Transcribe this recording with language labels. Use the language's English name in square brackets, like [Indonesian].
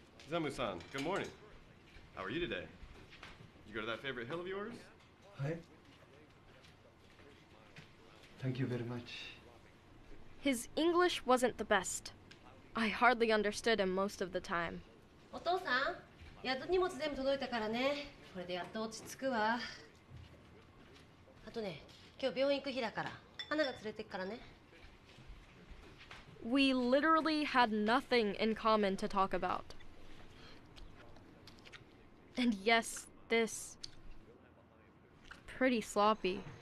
[English] Zemu-san, good morning. How are you today? You go to that favorite hill of yours? Thank you very much. His English wasn't the best. I hardly understood him most of the time. [Japanese] お父さん、 やっと荷物全部届いたからね。これでやっと落ち着くわ。あとね、 今日病院行く日だから。花が連れてくからね。 [English] We literally had nothing in common to talk about. And yes, this pretty sloppy.